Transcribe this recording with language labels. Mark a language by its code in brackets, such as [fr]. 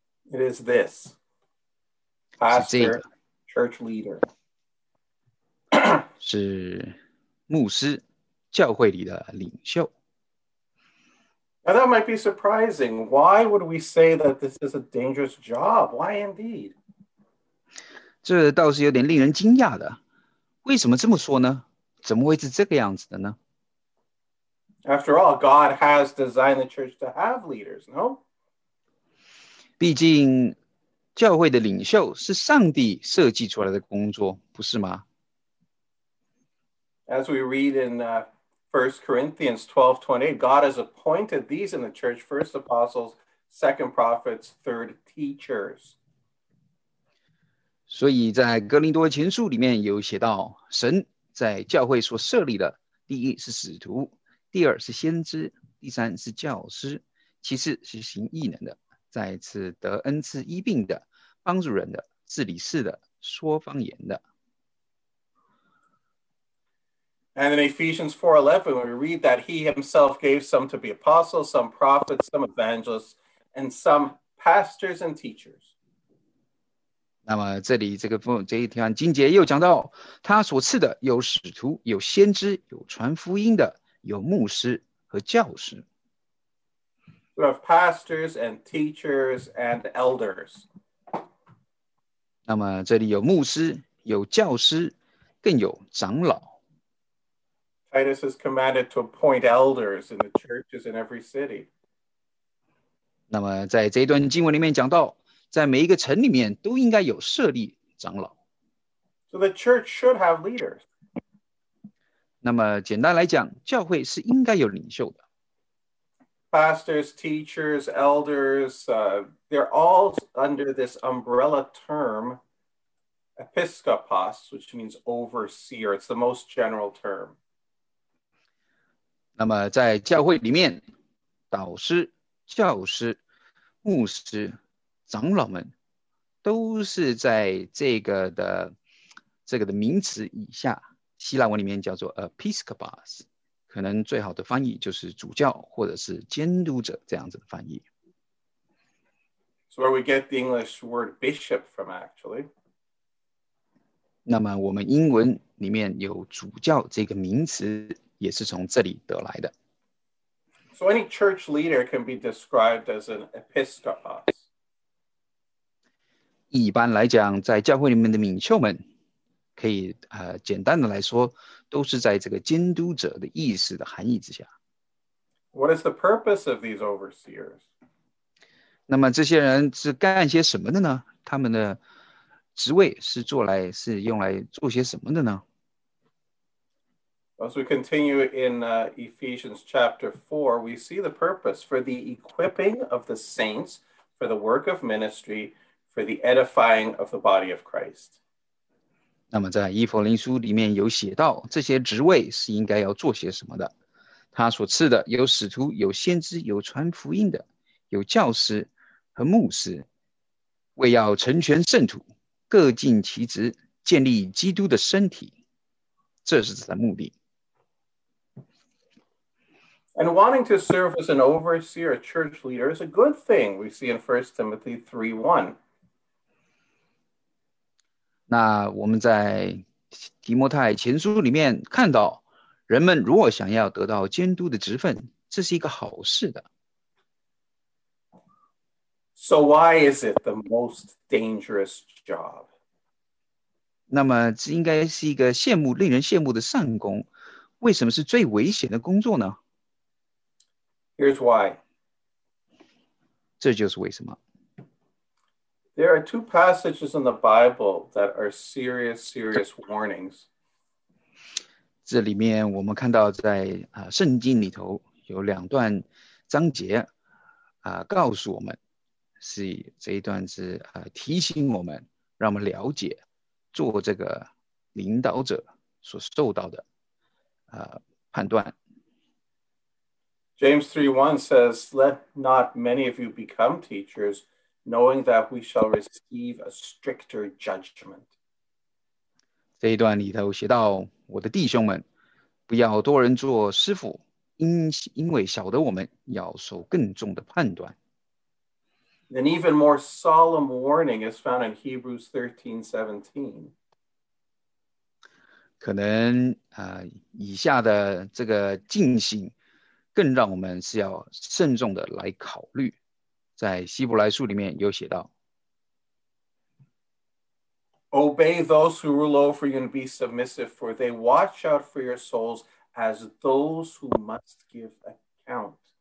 [en] It is this, pastor, church leader. [zh] 是牧师，教会里的领袖。 [en] Now that might be surprising. Why would we say that this is a dangerous job? Why indeed? [zh] 这倒是有点令人惊讶的。为什么这么说呢？怎么会是这个样子的呢？ [en] After all, God has designed the church to have leaders, no? [zh] 毕竟教会的领袖是上帝设计出来的工作，不是吗？ [en] As we read in 1 Corinthians 12:28, God has appointed these in the church, first apostles, second prophets, third teachers. [zh] 所以在哥林多前书里面有写到，神在教会所设立的第一是使徒，第二是先知，第三是教师，其次是行异能的，再次得恩赐医病的，帮助人的，治理事的，说方言的。 [en] And in Ephesians 4:11, we read that he himself gave some to be apostles, some prophets, some evangelists, and some pastors and teachers. [zh] 那么这里这一段经节又讲到，他所赐的有使徒，有先知，有传福音的，有牧师和教师。 [en] We have pastors and teachers and elders. [zh] 那么这里有牧师，有教师，更有长老。 [en] Titus is commanded to appoint elders in the churches in every city. [zh] 那么在这一段经文里面讲到，在每一个城里面都应该有设立长老。 [en] So the church should have leaders. [zh] 那么简单来讲，教会是应该有领袖的。 [en] Pastors, teachers, elders, they're all under this umbrella term, episkopos, which means overseer. It's the most general term. [zh] 那么在教会里面，导师、教师、牧师、长老们，都是在这个的名词以下。希腊文里面叫做 episkopos， 可能最好的翻译就是主教或者是监督者这样子的翻译。 [en] So where we get the English word bishop from, actually. [zh] 那么我们英文里面有主教这个名词。也是从这里得来的。 [en] So any church leader can be described as an episkopos. [zh] 一般来讲，在教会里面的领袖们，可以简单的来说，都是在这个监督者的意思的含义之下。 [en] What is the purpose of these overseers? [zh] 那么这些人是干些什么的呢？他们的职位是用来做些什么的呢？ [en] As we continue in Ephesians chapter 4, we see the purpose for the equipping of the saints for the work of ministry for the edifying of the body of Christ. [zh] 那么在以弗林书里面有写到，这些职位是应该要做些什么的。他所赐的有使徒，有先知，有传福音的，有教师和牧师，为要成全圣徒，各尽其职，建立基督的身体。这是他的目的。 [en] And wanting to serve as an overseer, a church leader, is a good thing. We see in 1 Timothy 3:1. [zh] 那我们在提摩太前书里面看到，人们如果想要得到监督的职分，这是一个好事的。 [en] So why is it the most dangerous job? [zh] 那么这应该是一个令人羡慕的善工，为什么是最危险的工作呢？ [en] Here's why. [zh] 这就是为什么。 [en] There are two passages in the Bible that are serious, serious warnings. [zh] 这里面我们看到在圣经里头有两段章节告诉我们，是这一段是提醒我们，让我们了解做这个领导者所受到的判断。 [en] James 3:1 says, Let not many of you become teachers, knowing that we shall receive a stricter judgment. [zh] 这一段里头写到，我的弟兄们，不要多人做师傅，因为晓得我们要受更重的判断。 [en] An even more solemn warning is found in Hebrews 13:17. [zh] 可能以下的这个警醒更让我们是要慎重的来考虑。在希伯来书里面有写到， [en] Obey those who rule over you and be submissive, for they watch out for your souls as those who must give account.